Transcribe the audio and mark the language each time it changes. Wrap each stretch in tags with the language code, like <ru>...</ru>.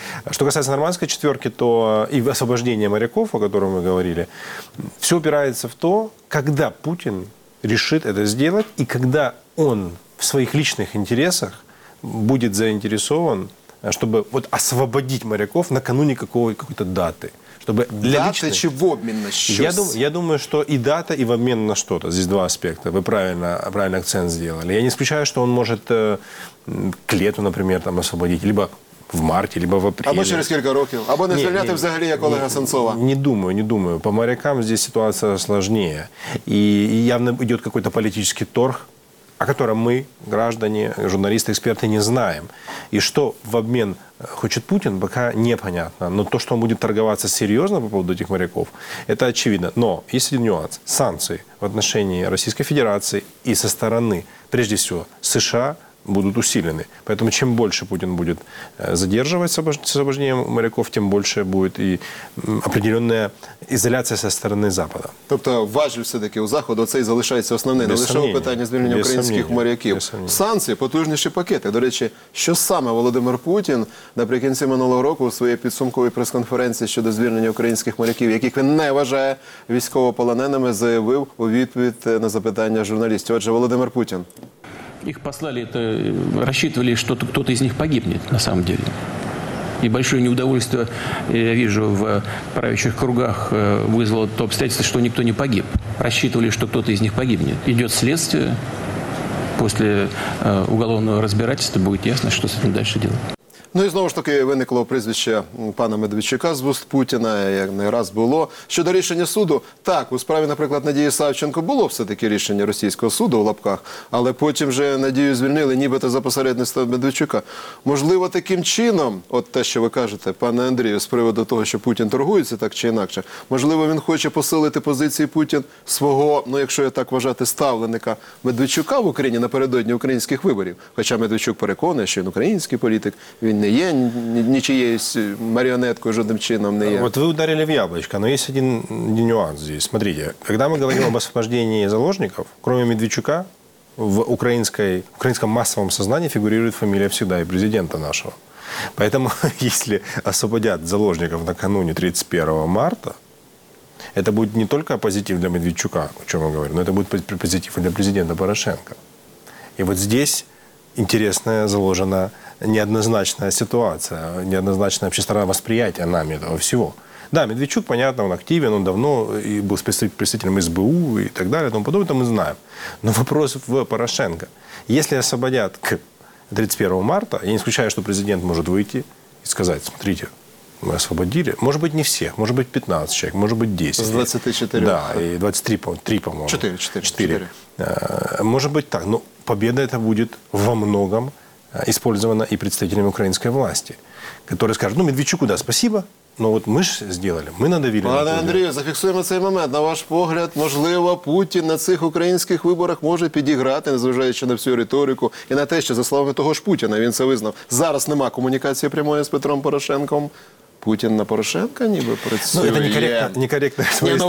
<uk>Що стосується Нормандської четвірки, то і освобождення моряків,</uk> <ru>о котором</ru> <uk>ми говорили, все опирається в то, коли Путін рішить це зробити, і коли він в своїх личних інтересах буде заінтересован,</uk> <ru>чтобы вот освободить моряков накануне какой-то даты. Чтобы для даты личной... чи в обмен на что-то? Я думаю, что и дата, и в обмен на что-то. Здесь два аспекта. Вы правильно акцент сделали. Я не исключаю, что он может к лету, например, там освободить. Либо в марте, либо в апреле.</ru> <uk>Або через кілька років. Або не звільняти взагалі, як Олега Сенцова.</uk> <ru>Не думаю. По морякам здесь ситуация сложнее. И явно идет какой-то политический торг, о котором мы, граждане, журналисты, эксперты, не знаем. И что в обмен хочет Путин, пока непонятно. Но то, что он будет торговаться серьезно по поводу этих моряков, это очевидно. Но есть один нюанс. Санкции в отношении Российской Федерации и со стороны, прежде всего, США будут усилены. Поэтому чем больше Путин будет задерживать освобождение моряков, тем больше будет и определенная изоляция со стороны Запада. То есть важливо все-таки у Запада, это и остается основным.</ru> <uk>Не лише питание звільнення українських моряків. Санкции, потужніші пакети. До речі, що саме Володимир Путін наприкінці минулого року у своїй підсумковій прес-конференції щодо звільнення українських моряків, яких він не вважає військовополоненими, заявив у відповідь на запитання журналістів. Отже, Володимир Путін.</uk> <ru>Их послали, это рассчитывали, что кто-то из них погибнет на самом деле. И большое неудовольствие, я вижу, в правящих кругах вызвало то обстоятельство, что никто не погиб. Рассчитывали, что кто-то из них погибнет. Идет следствие, после уголовного разбирательства будет ясно, что с этим дальше делать.</ru> <uk>Ну і знову ж таки виникло прізвище пана Медведчука з вуст Путіна, як не раз було. Щодо рішення суду, так, у справі, наприклад, Надії Савченко було все-таки рішення російського суду в лапках, але потім же Надію звільнили нібито за посередництво Медведчука. Можливо, таким чином, от те, що ви кажете, пане Андрію, з приводу того, що Путін торгується так чи інакше, можливо, він хоче посилити позиції Путін свого, ну якщо я так вважати, ставленика Медведчука в Україні напередодні українських виборів. Хоча Медведчук переконує, що він український політик, він не є нічиєюсь маріонеткою, жодним чином не є. От ви ударили в яблочко, але є один нюанс здесь.</uk> <ru>Смотрите,</ru> <uk>коли ми говоримо об освобождении заложников, кроме Медведчука, в українському масовому сознанні фігурує фамілія завжди і президента нашого.</uk> <ru>Поэтому, если освободят заложников накануне 31 марта, это будет не только позитив для Медведчука, о чем я говорю, но это будет позитив для президента Порошенко. И вот здесь интересная заложена неоднозначная ситуация, неоднозначное общественное восприятие нами этого всего. Да, Медведчук, понятно, он активен, он давно и был представителем СБУ и так далее, и тому подобное, это мы знаем. Но вопрос в Порошенко. Если освободят к 31 марта, я не исключаю, что президент может выйти и сказать, смотрите, мы освободили. Может быть, не всех, может быть, 15 человек, может быть, 10. С 24. Да, и 23, по-моему. 4. Может быть так, но победа это будет во многом использована и представителями украинской власти, которые скажут, ну, Медведчуку, да, спасибо, но вот мы же сделали, мы надавили.</ru> <uk>Пане Андрію, зафіксуємо цей момент. На ваш погляд, можливо, Путін на цих українських виборах може підіграти, незважаючи на всю риторику, і на те, що, за словами того ж Путіна, він це визнав, зараз нема комунікації прямої з Петром Порошенком. Путін на Порошенка ніби працює. Ну, це некоректно.</uk>